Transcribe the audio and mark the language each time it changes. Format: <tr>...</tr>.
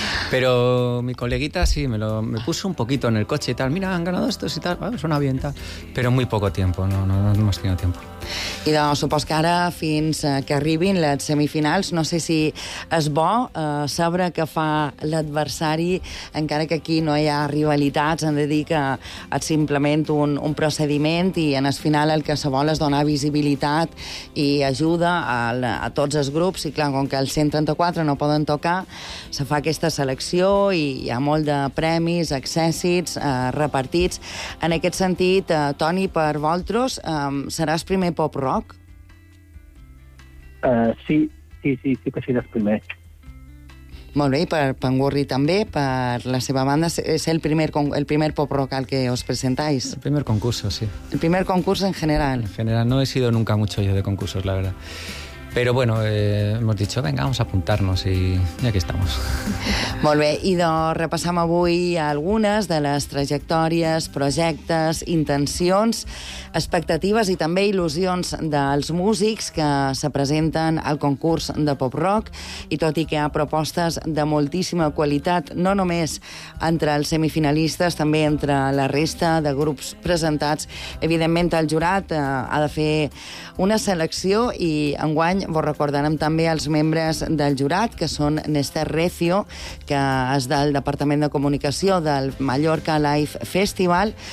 <es>Pero mi coleguita sí, me puso un poquito en el coche y tal. Mira, han ganado estos y tal, suena bien, tal. Pero muy poco tiempo, no hemos tenido tiempo.</es> <ca>I doncs, supos que ara, fins que arribin les semifinals, no sé si és bo saber que fa l'adversari, encara que aquí no hi ha rivalitats, han de dir que és simplement un procediment i en el final el que se vol és donar visibilitat i ajuda a tots els grups i, clar, com que els 134 no poden tocar, se fa aquesta selecció i hi ha molt de premis, accèssits, repartits. En aquest sentit, Toni, per vosaltres, seràs primer pop-rock? Sí que seràs primer. Molt bé, i per en Gurri també, per la seva banda, és el primer pop-rock al que us presentais?</ca> <es>El primer concurso, sí. El primer concurso en general. En general, no he sido nunca mucho yo de concursos, la verdad.</es> <ca>Però,</ca> <es>bueno, hemos dicho, venga, vamos a apuntarnos y aquí estamos.</es> <ca>Molt bé, idò, repassam avui algunes de les trajectòries, projectes, intencions, expectatives i també il·lusions dels músics que se presenten al concurs de pop-rock. I tot i que hi ha propostes de moltíssima qualitat, no només entre els semifinalistes, també entre la resta de grups presentats, evidentment el jurat ha de fer una selecció i enguany vos recordarem també els membres del jurat, que són Néstor Recio, que és del Departament de Comunicació del Mallorca Live Festival.</ca>